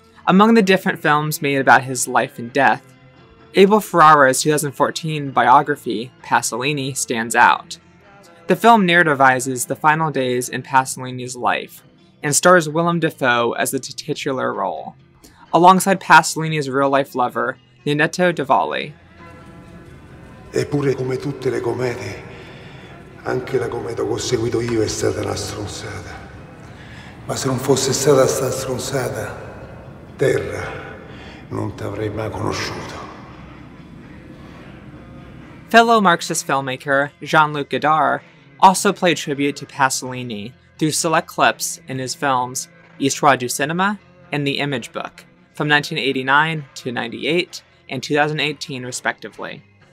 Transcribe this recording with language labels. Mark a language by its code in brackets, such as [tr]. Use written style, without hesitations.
[en] Among the different films made about his life and death, Abel Ferrara's 2014 biography, Pasolini, stands out. The film narrativizes the final days in Pasolini's life and stars Willem Dafoe as the titular role, alongside Pasolini's real-life lover, Ninetto Davoli. [it] Eppure, come tutte le comete, anche la cometa che ho seguito io è stata una stronzata. Ma se non fosse stata sta stronzata, terra, non t'avrei mai conosciuto. [en] Fellow Marxist filmmaker Jean-Luc Godard also played tribute to Pasolini through select clips in his films Histoire du Cinéma and The Image Book from 1989 to 98 and 2018, respectively.